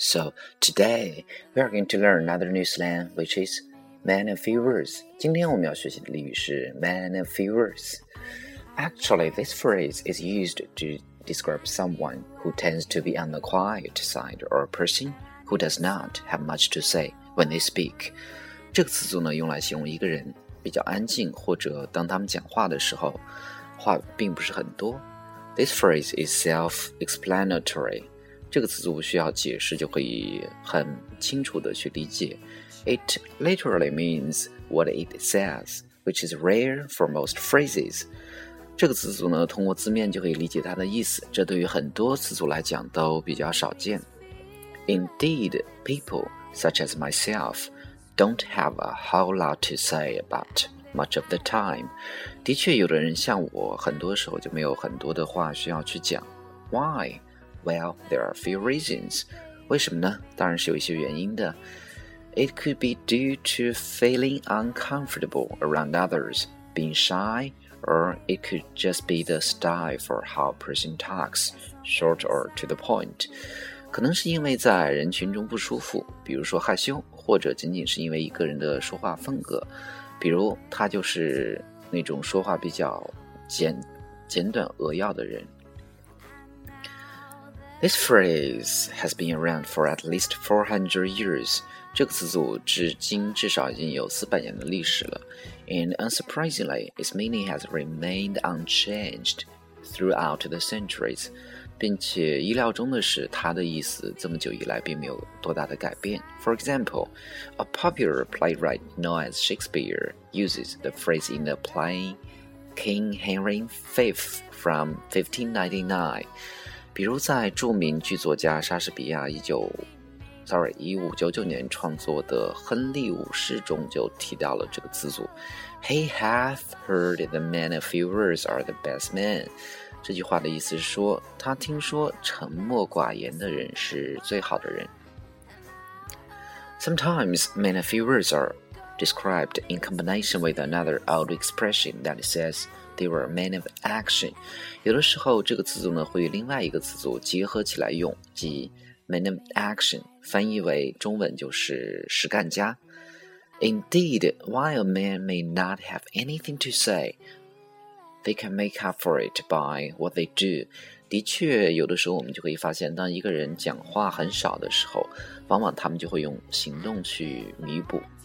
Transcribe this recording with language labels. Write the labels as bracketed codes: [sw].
[en] So today, we are going to learn another new slang, which is man and few words. [zh] 今天我们要学习的俚语是 [en] man and few words. Actually, this phrase is used to describe someone who tends to be on the quiet side or a person who does not have much to say when they speak. [zh] 这个词组呢用来形容一个人比较安静或者当他们讲话的时候话并不是很多。 [en] This phrase is self-explanatory. [zh] 这个词组需要解释就可以很清楚地去理解。 [en] It literally means what it says, which is rare for most phrases. [zh] 这个词组呢，通过字面就可以理解它的意思，这对于很多词组来讲都比较少见。 [en] Indeed, people such as myself don't have a whole lot to say about much of the time. [zh] 的确有的人像我，很多时候就没有很多的话需要去讲。 [en] Why? Well, there are a few reasons. [zh] 为什么呢？当然是有一些原因的。 [en] It could be due to feeling uncomfortable around others, being shy, or it could just be the style for how a person talks, short or to the point. [zh] 可能是因为在人群中不舒服，比如说害羞，或者仅仅是因为一个人的说话风格，比如他就是那种说话比较简短扼要的人。 [en] This phrase has been around for at least 400 years. [zh] 这个词组至今至少已经有400年的历史了。 [en] And unsurprisingly, its meaning has remained unchanged throughout the centuries. [zh] 并且意料中的是它的意思这么久以来并没有多大的改变。 [en] For example, a popular playwright known as Shakespeare uses the phrase in the play King Henry V from 1599. [zh] 比如在著名剧作家莎士比亚1599年创作的《亨利五世》中就提到了这个词组 [en] He hath heard the man a few words are the best man [zh] 这句话的意思是说他听说沉默寡言的人是最好的人 [en] Sometimes man a few words are described in combination with another old expression that saysThey were men of action. [zh] 有的时候这个词组呢会与另外一个词组结合起来用即 [en] men of action, [zh] 翻译为中文就是实干家。 [en] Indeed, while a man may not have anything to say, they can make up for it by what they do. [zh] 的确有的时候我们就可以发现当一个人讲话很少的时候往往他们就会用行动去弥补。